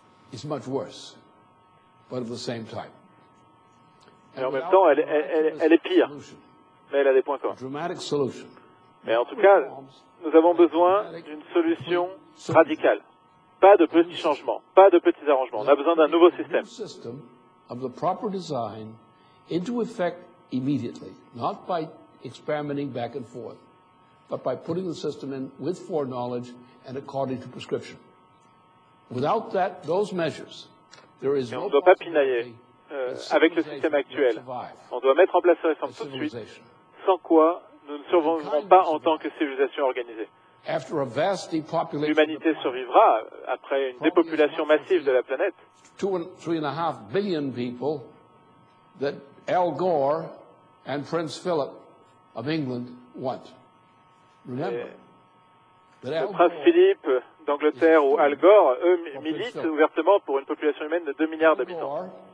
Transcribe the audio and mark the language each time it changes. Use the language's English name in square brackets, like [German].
[English] It's much worse, but at the same time. [French] Mais en même temps, elle est pire, mais elle a des points communs. Solution. Mais en tout cas, nous avons besoin d'une solution radicale. Pas de petits changements, pas de petits arrangements. On a besoin d'un nouveau système. [English] Of the proper design into effect immediately, not by experimenting back and forth, but by putting the system in with foreknowledge and according to prescription. Without that, those measures, there is no [French] on ne doit pas pinailler avec le système actuel. On doit mettre en place la réforme tout de suite, sans quoi nous ne survivrons pas en tant que civilisation organisée. L'humanité survivra après une dépopulation massive de la planète. [English] 2.5 billion people that Al Gore and Prince Philip of England want. [French] Le prince Philippe d'Angleterre ou Al Gore, eux, militent ouvertement pour une population humaine de 2 milliards d'habitants.